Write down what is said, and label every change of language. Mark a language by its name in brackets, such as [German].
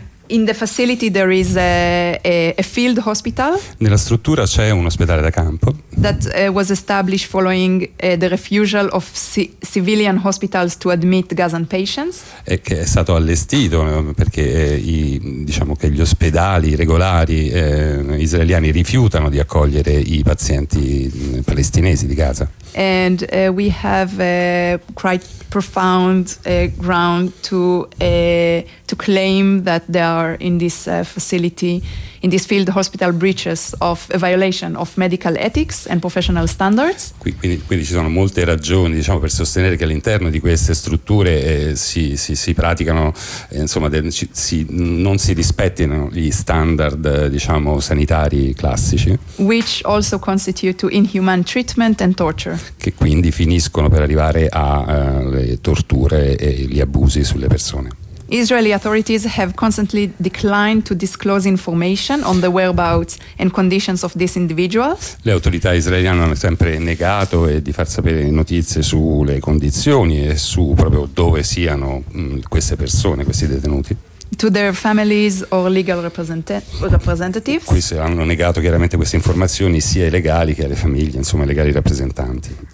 [English] In the facility there is a field hospital. [Italian] Nella struttura c'è un ospedale da campo. [English] That was established following the refusal of civilian hospitals to admit Gazan patients. [Italian] E che è stato allestito perché diciamo che gli ospedali regolari israeliani rifiutano di accogliere i pazienti palestinesi di Gaza. [English] And we have quite profound ground to claim that there are in this facility, in this field hospital, breaches of a violation of medical ethics and professional standards. [Italian] Quindi ci sono molte ragioni, diciamo, per sostenere che all'interno di queste strutture si praticano, insomma, non si rispettino gli standard, diciamo, sanitari classici. [English] Which also constitute to inhuman treatment and torture. [Italian] Che quindi finiscono per arrivare a le torture e gli abusi sulle persone. [English] Israeli authorities have constantly declined to disclose information on the whereabouts and conditions of these individuals. [Italian] Le autorità israeliane hanno sempre negato di far sapere notizie sulle condizioni e su proprio dove siano queste persone, questi detenuti. [English] To their families or legal representatives. [Italian] Qui si hanno negato chiaramente queste informazioni sia ai legali che alle famiglie, insomma ai legali rappresentanti.